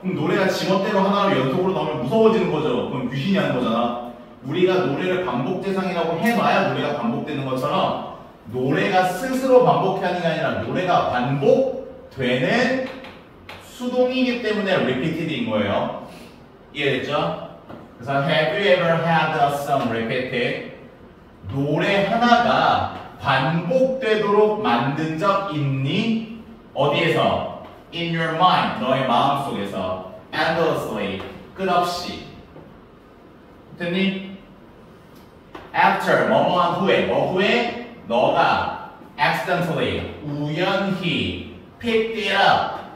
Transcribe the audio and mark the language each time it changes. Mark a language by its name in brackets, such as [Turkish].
[Korean] 그럼 노래가 지멋대로 하나로 연속으로 나오면 무서워지는 거죠. 그럼 귀신이 하는 거잖아. 우리가 노래를 반복 대상이라고 해놔야 노래가 반복되는 것처럼 노래가 스스로 반복하는 게 아니라 노래가 반복되는 수동이기 때문에 repeated인 거예요. 이해됐죠? 그래서 [English] have you ever had a song repeated? [Korean] 노래 하나가 반복되도록 만든 적 있니? 어디에서? [English] In your mind, [Korean] 너의 마음 속에서. Endlessly, 끝없이. 됐니? After, 뭐뭐한 후에, 뭐 후에? 너가 accidentally, 우연히 [English] picked it up.